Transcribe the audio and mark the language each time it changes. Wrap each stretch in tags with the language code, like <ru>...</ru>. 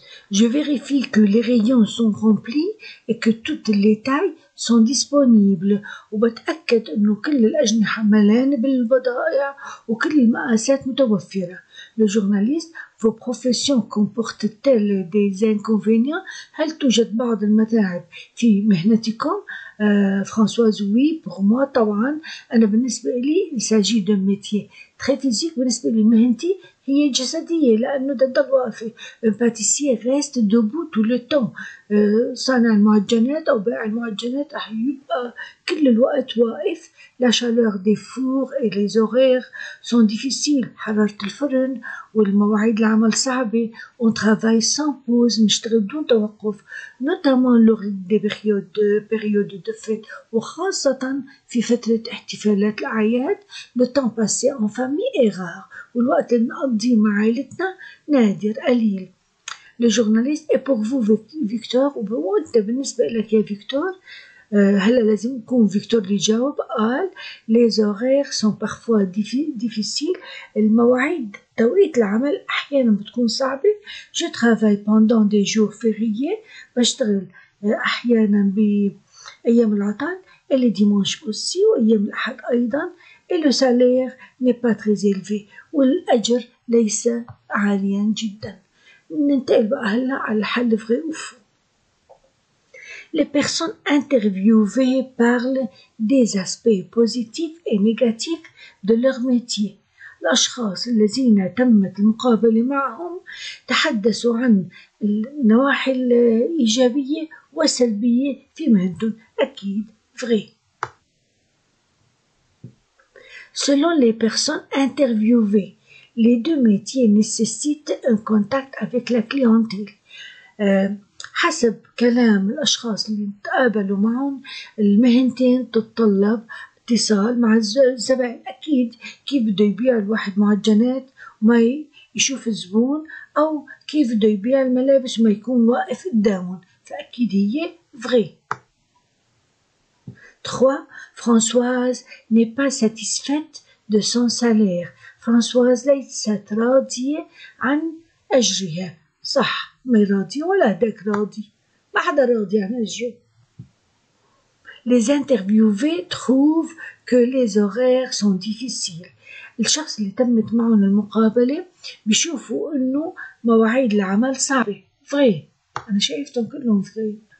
<fr>Je vérifie que les rayons sont remplis et que toutes les tailles sont disponibles.</fr> <ar>وبتأكد إنه كل الأجنحة ملانة بالبضائع وكل المقاسات متوفرة.</ar> <fr>Le journaliste, vos professions comportent-elles des inconvénients?</fr> <ar>هل توجد بعض المتاعب في مهنتكم؟ Françoise,</ar> <fr>oui, pour moi,</fr> <ar>طبعاً. أنا بالنسبة لي,</ar> <fr>il s'agit d'un métier très physique.</fr> <ar>بالنسبة لي, مهنتي هي جسدية لأنه ده الوظيفة.</ar> <fr>Un pâtissier reste debout tout le temps.</fr> <ar>صانع المعجنات أو بائع المعجنات يبقى كل الوقت واقف.</ar> <fr>La chaleur des fours et les horaires sont difficiles.</fr> <ar>حرارة الفرن والمواعيد العمل صعبة.</ar> <fr>On travaille sans pause,</fr> <ar>نشتغل بدون توقف.</ar> <fr>Notamment lors des périodes de fête,</fr> <ar>وخاصة في فترة احتفالات الأعياد,</ar> <fr>le temps passé en famille est rare.</fr> <ar>والوقت اللي نقضيه مع عائلتنا نادر قليل.</ar> <fr>Le journaliste est pour vous, Victor, ou pour vous,</fr> <ar>بالنسبة لك يا Victor, هلا لازم يكون فيكتور اللي جاوب قال</ar> <fr>les horaires sont parfois difficiles.</fr> <ar>المواعيد توقيت العمل احيانا بتكون صعبه.</ar> <fr>Je travaille pendant des jours fériés,</fr> <ar>بشتغل احيانا بايام العطل</ar> <fr>et les dimanches aussi,</fr> <ar>وايام الاحد ايضا.</ar> <fr>Et le salaire n'est pas très élevé,</fr> <ar>والاجر ليس عاليا جدا. ننتقل بقى هلا على الحل فري اوف.</ar> <fr>Les personnes interviewées parlent des aspects positifs et négatifs de leur métier.</fr> <ar>L'أشخاص الذين تمت المقابلة معهم تحدثوا عن النواحي الإيجابية والسلبية في مهنتهم. أكيد vrai.</ar> <fr>Selon les personnes interviewées, les deux métiers nécessitent un contact avec la clientèle.</fr> <ar>حسب كلام الأشخاص اللي تقابلوا معهم, المهنتين تتطلب اتصال مع الزبائن. أكيد كيف بده يبيع الواحد معجنات وما يشوف الزبون, أو كيف بده يبيع الملابس وما يكون واقف قدامهم. فأكيد هي vrai. 3.</ar> <fr>Françoise n'est pas satisfaite de son salaire.</fr> <ar>Françoise ليست راضية عن أجرها. صح, مي راضي ولا هداك راضي, ما حدا راضي عن أجره.</ar> <fr>Les interviewés trouvent que les horaires sont difficiles.</fr> <ar>الشخص اللي تمت معهم المقابلة بيشوفوا إنه مواعيد العمل صعبة.</ar> <fr>vrai.</fr> <ar>أنا شايفتهم كلهم vrai.</ar>